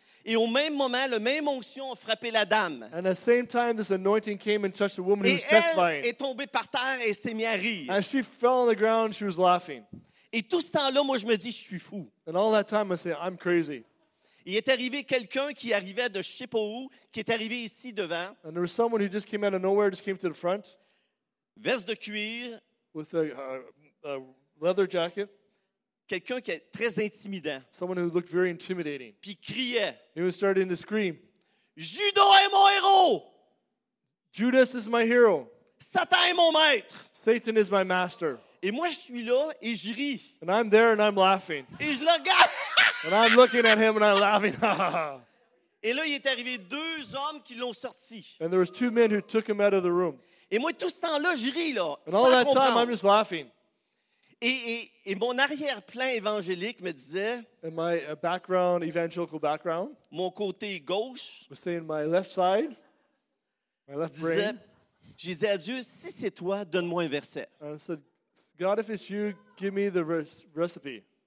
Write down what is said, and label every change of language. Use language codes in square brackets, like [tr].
[fr] Et au même moment, la même onction a frappé la dame. [en] And at the same time, this anointing came and touched the woman [fr] et [en] who was testifying. [fr] Elle est tombée par terre et s'est mise à rire. [en] And she fell on the ground, she was laughing. [fr] Et tout ce temps-là, moi, je me dis, je suis fou. [en] And all that time, I say, I'm crazy. [fr] Il est arrivé quelqu'un qui arrivait de je sais pas où, qui est arrivé ici devant. [en] And there was someone who just came out of nowhere, just came to the front. [fr] Veste de cuir. [en] With a leather jacket. [fr] Quelqu'un qui est très intimidant. [en] Someone who looked very intimidating. [fr] Puis criait. [en] He was starting to scream. [fr] Judas est mon héros. [en] Judas is my hero. [fr] Satan est mon maître. [en] Satan is my master. [fr] Et moi je suis là et je ris. [en] And I'm there and I'm laughing. [fr] Et je le regarde. [en] And I'm looking at him and I'm laughing. [fr] Et là, il est arrivé deux hommes qui l'ont sorti. [en] And there was two men who took him out of the room. [fr] Et moi, tout ce temps-là, je ris, là. [en] And all that time, I'm just laughing. [fr] Et mon arrière-plan évangélique me disait, [en] and my background, evangelical background, [fr] mon côté gauche, [en] was saying my left side, my left [fr] disait, [en] brain. [fr] J'ai dit à Dieu, si c'est toi, donne-moi un verset. [en] And I said, God, if it's you, give me the recipe.